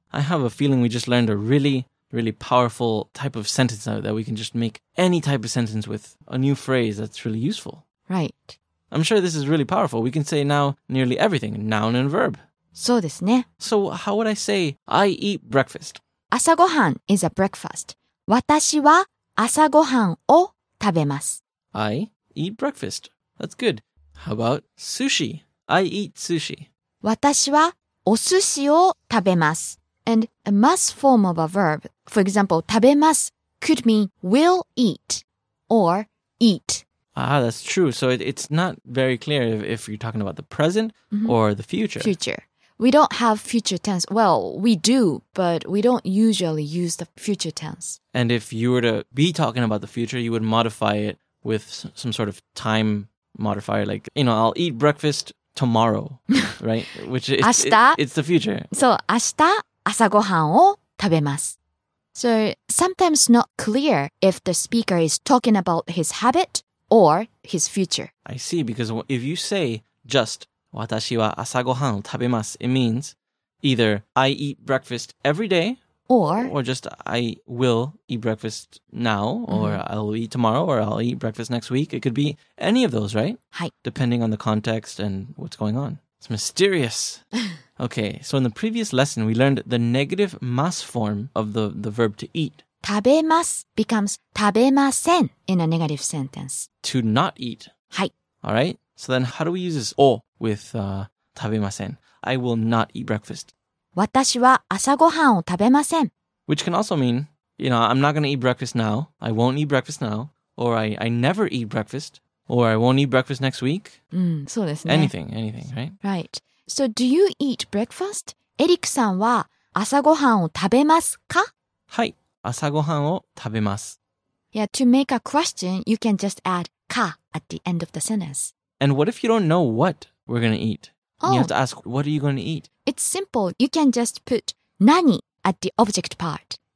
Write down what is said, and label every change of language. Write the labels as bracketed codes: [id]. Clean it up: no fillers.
[en] I have a feeling we just learned a really, really powerful type of sentence that we can just make any type of sentence with a new phrase that's really useful. Right. I'm sure this is really powerful. We can say now nearly everything, noun and verb. [ja] そうですね。 [en] So how would I say, I eat breakfast? 朝ごはん is a breakfast. [ja] 私は朝ごはんを食べます。 [en] I eat breakfast. That's good. How about sushi? I eat sushi. [ja] 私はお寿司を食べます。 [en] And a must form of a verb, for example, 食べます could mean will eat or eat. Ah, that's true. So it's not very clear if you're talking about the present mm-hmm. or the future. Future. We don't have future tense. Well, we do, but we don't usually use the future tense. And if you were to be talking about the future, you would modify it with some sort of time modifier. Like, you know, I'll eat breakfast tomorrow, right? Which is it's the future. [ja] So, 明日朝ごはんを食べます。 [en] So, sometimes not clear if the speaker is talking about his habit,Or his future. I see, because if you say just [ja] 私は朝ごはんを食べます, [en] it means either I eat breakfast every day, or just I will eat breakfast now, or mm-hmm. I'll eat tomorrow, or I'll eat breakfast next week. It could be any of those, right? Hi. Depending on the context and what's going on. It's mysterious. Okay, so in the previous lesson, we learned the negative mas form of the verb to eat. 食べます becomes 食べません in a negative sentence. To not eat. [ja] はい。 [en] All right. So then how do we use this お with 食べません? I will not eat breakfast. [ja] 私は朝ごはんを食べません。 [en] Which can also mean, you know, I'm not going to eat breakfast now. I won't eat breakfast now. Or I never eat breakfast. Or I won't eat breakfast next week. [ja] そうですね。 [en] Anything, right? Right. So do you eat breakfast? [ja] エリックさんは朝ごはんを食べますか? はい。朝ごはんを食べます。 [en] Yeah, to make a question, you can just add か at the end of the sentence. And what if you don't know what we're going to eat? Oh. You have to ask, what are you going to eat? It's simple. You can just put 何 at the object part.